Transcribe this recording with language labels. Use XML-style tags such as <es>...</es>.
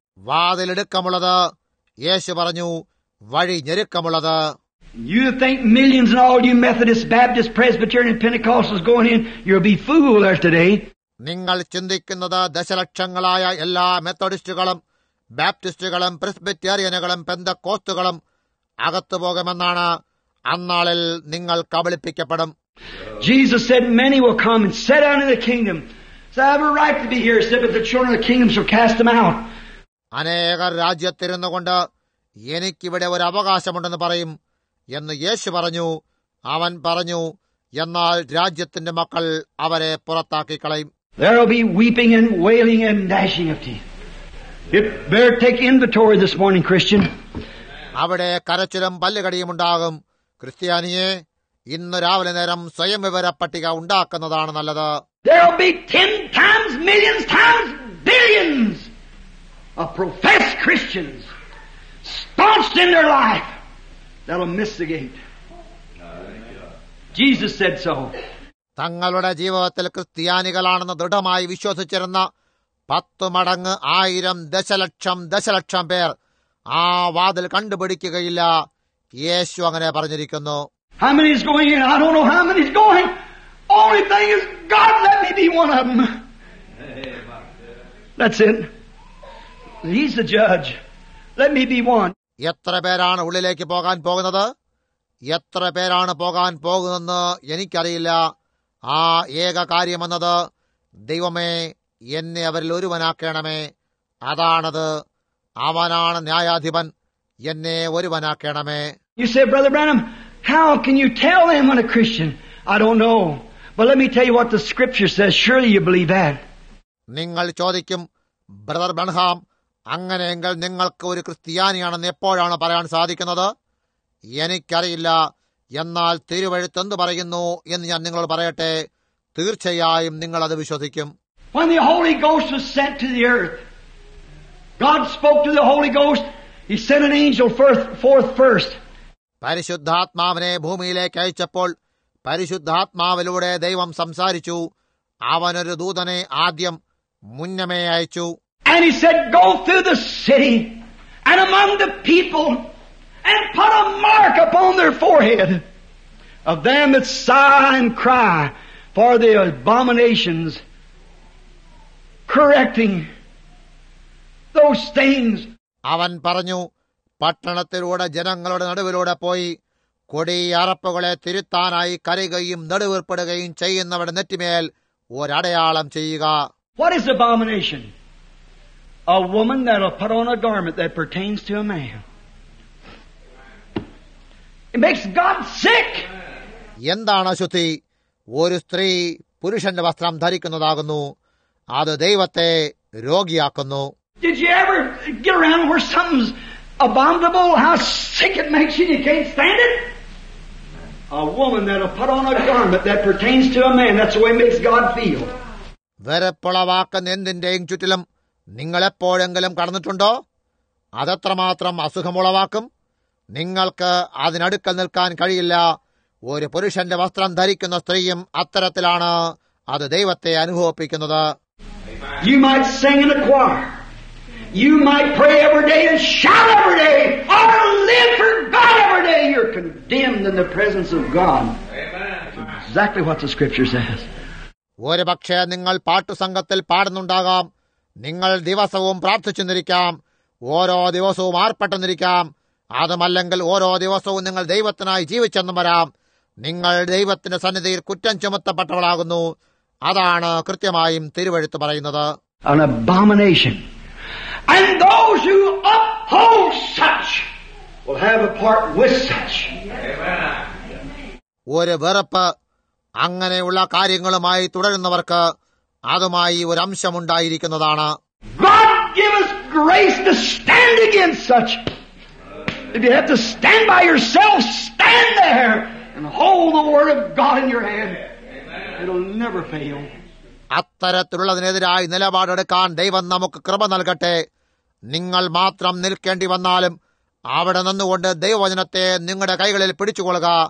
<ml>വാതിലെടുക്കമുള്ളത്, യേശു പറഞ്ഞു, വഴി ഞെരുക്കമുള്ളത്.</ml> <en>You think millions and all you Methodists, Baptists, Presbyterians, Pentecostals going in, you'll be fools today.</en> <ml>നിങ്ങൾ ചിന്തിക്കുന്നത് ദശലക്ഷങ്ങളായ എല്ലാ മെത്തഡിസ്റ്റുകളും ബാപ്റ്റിസ്റ്റുകളും പ്രസ്ബിറ്റേറിയനുകളും പെന്തക്കോസ്റ്റുകളും അകത്തു പോകുമെന്നാണ്. അന്നാളിൽ നിങ്ങൾ കബളിപ്പിക്കപ്പെടും.</ml> <en>Jesus said many will come and sit down in the kingdom. So I have a right to be here, said, but the children of the kingdom shall cast them out.</en> <ml>അനേകർ രാജ്യത്തിരുന്നു കൊണ്ട് എനിക്കിവിടെ ഒരു അവകാശമുണ്ടെന്ന് പറയും എന്ന് യേശു പറഞ്ഞു. അവൻ പറഞ്ഞു, എന്നാൽ രാജ്യത്തിന്റെ മക്കൾ അവരെ പുറത്താക്കി കളയും.</ml> <en>There will be weeping and wailing and gnashing of teeth. It better take inventory this morning, Christian.</en> <ml>അവിടെ കരച്ചിലും പല്ലുകടിയും ഉണ്ടാകും. ക്രിസ്ത്യാനിയെ, ഇന്ന് രാവിലെ നേരം സ്വയം വിവര പട്ടിക ഉണ്ടാക്കുന്നതാണ് നല്ലത്.</ml> <en>There will be 10 times, millions times, billions of professed Christians staunched in their life. That'll miss the gate. Jesus said so.</en> <ml>തങ്ങളുടെ ജീവിതത്തിൽ ക്രിസ്ത്യാനികളാണെന്ന് ദൃഢമായി വിശ്വസിച്ചിരുന്ന</ml> <en>10 times</en> <ml>ആയിരം ദശലക്ഷം ദശലക്ഷം പേർ ആ വാതിൽ കണ്ടുപിടിക്കുകയില്ല. യേശു അങ്ങനെ പറഞ്ഞിരിക്കുന്നു.</ml> <en>How many is going in? I don't know how many is going. Only thing is, God, let me be one of them. That's it. He's the judge. Let me be one.</en> <ml>എത്ര പേരാണ് ഉള്ളിലേക്ക് പോകാൻ പോകുന്നത്? എത്ര പേരാണ് പോകാൻ പോകുന്നതെന്ന് എനിക്കറിയില്ല. ആ ഏക കാര്യമെന്നത് ദൈവമേ എന്നെ അവരിൽ ഒരുവനാക്കണമേ, അതാണത്, അവനാണ് ന്യായാധിപൻ, എന്നെ ഒരുവനാക്കണമേ.</ml> <en>You say, Brother Branham, how can you tell them when a Christian? I don't know. But let me tell you what the scripture says. Surely you believe that.</en> <ml>നിങ്ങൾ ചോദിക്കും, ബ്രദർ ബ്രാൻഹാം, അങ്ങനെയെങ്കിൽ നിങ്ങൾക്ക് ഒരു ക്രിസ്ത്യാനിയാണെന്ന് എപ്പോഴാണ് പറയാൻ സാധിക്കുന്നത്? എനിക്കറിയില്ല, എന്നാൽ തിരുവഴുത്ത് എന്ത് പറയുന്നു എന്ന് ഞാൻ നിങ്ങളോട് പറയട്ടെ, തീർച്ചയായും നിങ്ങൾ അത് വിശ്വസിക്കും.</ml> <en>When the Holy Ghost was sent to the earth, God spoke to the Holy Ghost. He sent an angel forth first.</en> <ml>പരിശുദ്ധാത്മാവിനെ ഭൂമിയിലേക്ക് അയച്ചപ്പോൾ പരിശുദ്ധാത്മാവിലൂടെ ദൈവം സംസാരിച്ചു. അവനൊരു ദൂതനെ ആദ്യം മുന്നമേ അയച്ചു.</ml> <en>And he said, go through the city and among the people and put a mark upon their forehead of them that sigh and cry for the abominations, correcting those things.</en> <ml>അവൻ പറഞ്ഞു, പട്ടണത്തിലൂടെ ജനങ്ങളുടെ നടുവിലൂടെ പോയി കൊടിയറപ്പുകളെ തിരുത്താനായി കരയുകയും നെടുവീർപ്പെടുകയും ചെയ്യുന്നവരുടെ നെറ്റിമേൽ ഒരടയാളം ചെയ്യുക.</ml> <en>What is abomination? A woman that will put on a garment that pertains to a man. It makes God sick.</en> <ml>എന്താണ് അശുദ്ധി? ഒരു സ്ത്രീ പുരുഷന്റെ വസ്ത്രം ധരിക്കുന്നതാകുന്നു. അത് ദൈവത്തെ രോഗിയാക്കുന്നു.</ml> <en>Did you ever get around where something's abominable, how sick it makes you, you can't stand it? A woman that'll put on a garment that pertains to a man, that's the way it makes God feel.</en> <ml>വെറുപ്പുളവാക്കുന്ന എന്തിന്റെയും ചുറ്റിലും നിങ്ങളെപ്പോഴെങ്കിലും കടന്നിട്ടുണ്ടോ? അതെത്രമാത്രം അസുഖമുളവാക്കും. നിങ്ങൾക്ക് അതിനടുക്കൽ നിൽക്കാൻ കഴിയില്ല. ഒരു പുരുഷന്റെ വസ്ത്രം ധരിക്കുന്ന സ്ത്രീയും അത്തരത്തിലാണ് അത് ദൈവത്തെ അനുഭവിപ്പിക്കുന്നത്.</ml> <en>You might sing in a choir. You might pray every day and shout every day or live for God every day. You're condemned in the presence of God. Amen. Exactly what the scripture says.</en> <ml>ഒരുപക്ഷെ നിങ്ങൾ പാട്ടുസംഘത്തിൽ പാടുന്നുണ്ടാകാം. നിങ്ങൾ ദിവസവും പ്രാർത്ഥിച്ചെന്നിരിക്കാം. ഓരോ ദിവസവും ആർപ്പെട്ടെന്നിരിക്കാം. അതുമല്ലെങ്കിൽ ഓരോ ദിവസവും നിങ്ങൾ ദൈവത്തിനായി ജീവിച്ചെന്നും വരാം. നിങ്ങൾ ദൈവത്തിന്റെ സന്നിധിയിൽ കുറ്റം ചുമത്തപ്പെട്ടവളാകുന്നു. അതാണ് കൃത്യമായും തിരുവഴുത്ത് പറയുന്നത്.</ml> <en>An abomination. And those who uphold such will have a part with such.</en> <ml>ഒരു വെറുപ്പ്, അങ്ങനെയുള്ള കാര്യങ്ങളുമായി തുടരുന്നവർക്ക് അതുമായി ഒരംശമുണ്ടായിരിക്കുന്നതാണ്.</ml> <en>God give us grace to stand against such. If you have to stand by yourself, stand there and hold the word of God in your hand. It'll never fail.</en> <ml>അത്തരത്തിലുള്ളതിനെതിരായി നിലപാടെടുക്കാൻ ദൈവം നമുക്ക് കൃപ നൽകട്ടെ. നിങ്ങൾ മാത്രം നിൽക്കേണ്ടി വന്നാലും അവിടെ നിന്നുകൊണ്ട് ദൈവവചനത്തെ നിങ്ങളുടെ കൈകളിൽ പിടിച്ചുകൊള്ളുക.</ml>